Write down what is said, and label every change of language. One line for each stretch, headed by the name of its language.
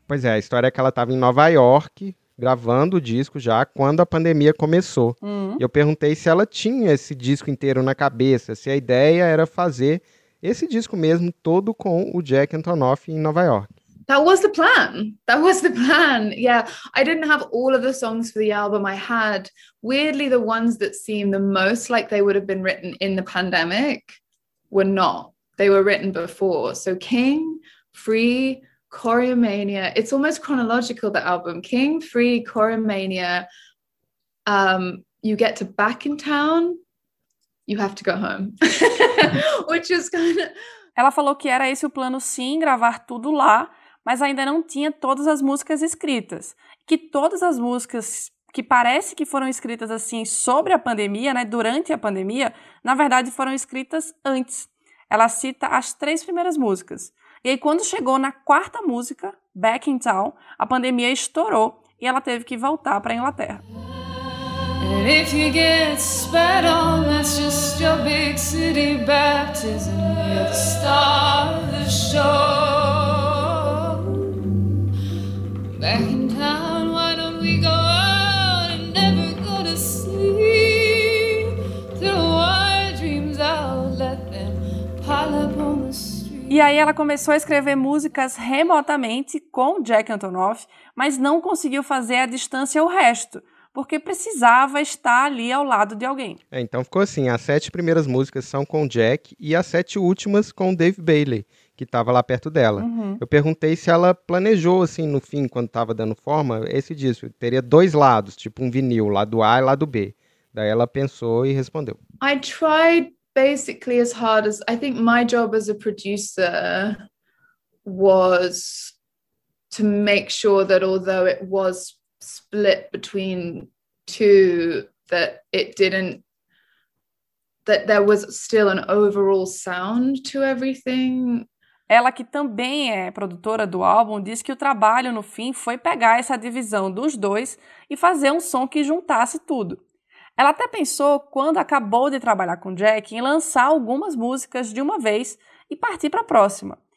Portuguese: Pois é, a história é que ela estava em Nova York, gravando o disco já, quando a pandemia começou. E eu perguntei se ela tinha esse disco inteiro na cabeça, se a ideia era fazer esse disco mesmo, todo com o Jack Antonoff em Nova York.
English: That was the plan. That was the plan. Yeah, I didn't have all of the songs for the album. I had, weirdly, the ones that seemed the most like they would have been written in the pandemic were not. They were written before. So King, Free, Choreomania. It's almost chronological, the album. King, Free, Choreomania. You get to Back in Town, You Have to Go Home. Which is kind of...
Portuguese: Ela falou que era esse o plano, sim, gravar tudo lá, mas ainda não tinha todas as músicas escritas. Que todas as músicas que parece que foram escritas assim sobre a pandemia, né, durante a pandemia, na verdade foram escritas antes. Ela cita as três primeiras músicas. E aí, quando chegou na quarta música, Back in Town, a pandemia estourou e ela teve que voltar para a Inglaterra.
English: And if you get spat on, that's just your big city baptism. You're the star of the show. Back in town, why don't we go out and never go to sleep? Throw our dreams out, let them pile up on the street.
Portuguese: E aí ela começou a escrever músicas remotamente com Jack Antonoff, mas não conseguiu fazer à distância o resto, porque precisava estar ali ao lado de alguém. É, então ficou assim, as sete primeiras músicas são com Jack e as sete últimas com Dave Bailey, que estava lá perto dela. Uhum. Eu perguntei se ela planejou, assim, no fim, quando estava dando forma, esse disco teria dois lados, tipo um vinil, lado A e lado B. Daí ela pensou e respondeu.
English: I tried basically as hard as... I think my job as a producer was to make sure that although it was split between two, that it didn't, that there was still an overall sound to everything.
Portuguese: Ela, que também é produtora do álbum, diz que o trabalho no fim foi pegar essa divisão dos dois e fazer um som que juntasse tudo. Ela até pensou, quando acabou de trabalhar com Jack, em lançar algumas músicas de uma vez e partir para a próxima.